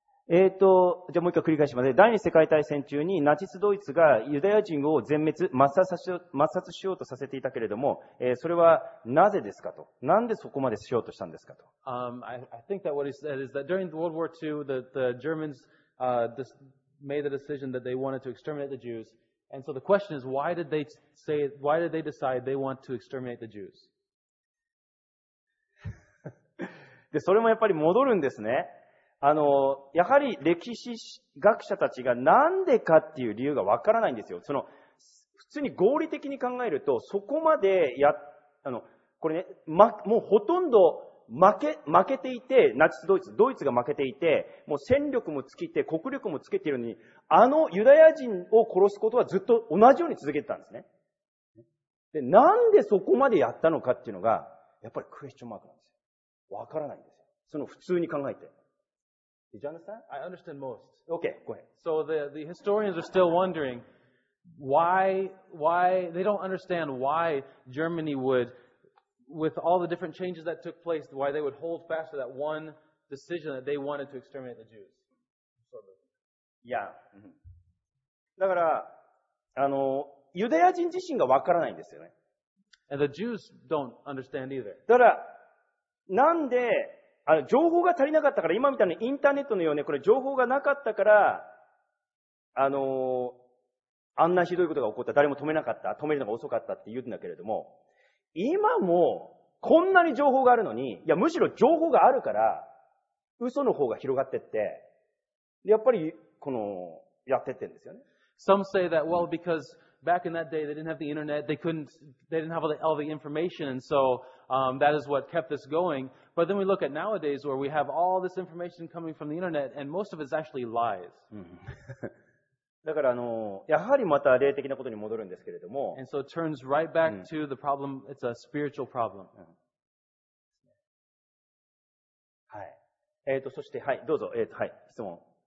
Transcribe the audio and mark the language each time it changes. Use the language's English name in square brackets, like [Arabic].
[Japanese] じゃあもう一回繰り返します。第二次世界大戦中にナチスドイツがユダヤ人を全滅、抹殺しようとさせていたけれども、それはなぜですかと。なんでそこまでしようとしたんですかと。 [English] I think that what he said is that during World War II, the Germans, made the decision that they wanted to exterminate the Jews. And so the question is, why did they decide they want to exterminate the Jews? [Japanese] で、それもやっぱり戻るんですね。やはり歴史学者たちがなんでかっていう理由がわからないんですよ。その、普通に合理的に考えると、そこまでこれね、もうほとんど負けていて、ナチスドイツ、ドイツが負けていて、もう戦力も尽きて、国力も尽きているのに、あのユダヤ人を殺すことはずっと同じように続けてたんですね。で、なんでそこまでやったのかっていうのが、やっぱりクエスチョンマークなんですよ。わからないんですよ。その普通に考えて。 [English] Did you understand? I understand most. Okay, go ahead. So the historians are still wondering why they don't understand why Germany would, with all the different changes that took place, why they would hold fast to that one decision that they wanted to exterminate the Jews. Yeah. [Japanese] だから、ユダヤ人自身がわからないんですよね。 [English] And the Jews don't understand either. [Japanese] だから、なんで、情報が足りなかったから、今みたいなインターネットのようにこれ情報がなかったから、あんなひどいことが起こった、誰も止めなかった、止めるのが遅かったって言うんだけれども、今もこんなに情報があるのに、いやむしろ情報があるから、嘘の方が広がってって、でやっぱり、やってってんですよね。 [English] Some say that, well, because back in that day they didn't have the internet, they didn't have all the information, and so, that is what kept this going. But then we look at nowadays where we have all this information coming from the internet and most of it is actually lies. [Japanese] だからやはりまた霊的なことに戻るんですけれども。 [English] And so it turns right back to the problem, it's a spiritual problem. [Japanese] はい。そして、はい、どうぞ、はい、質問。